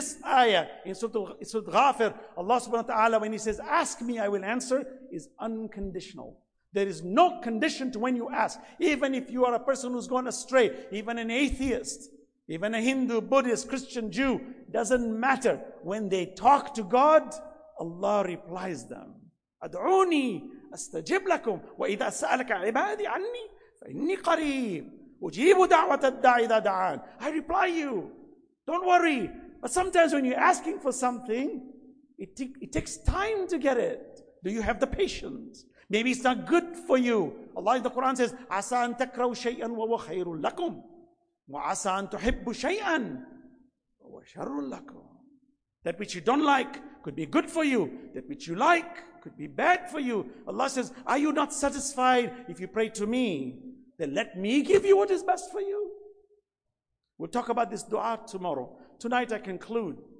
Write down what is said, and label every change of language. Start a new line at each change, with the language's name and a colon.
English: This ayah in Surah Ghafir, Allah subhanahu wa ta'ala, when he says, ask me, I will answer, is unconditional. There is no condition to when you ask. Even if you are a person who's gone astray, even an atheist, even a Hindu, Buddhist, Christian, Jew, doesn't matter. When they talk to God, Allah replies them.
Arabic: أدعوني أستجب لكم وإذا سألك عبادي عني فإني قريب أجيب دعوة الدع إذا دعان.
English: I reply you. Don't worry. But sometimes when you're asking for something, it takes time to get it. Do you have the patience? Maybe it's not good for you. Allah in the Quran says,
Arabic: عسى أن تكرهوا شيئا وهو خير لكم وعسى أن تحبوا شيئا وهو شر لكم.
English: That which you don't like could be good for you. That which you like could be bad for you. Allah says, are you not satisfied if you pray to me? Then let me give you what is best for you. We'll talk about this dua tomorrow. Tonight I conclude.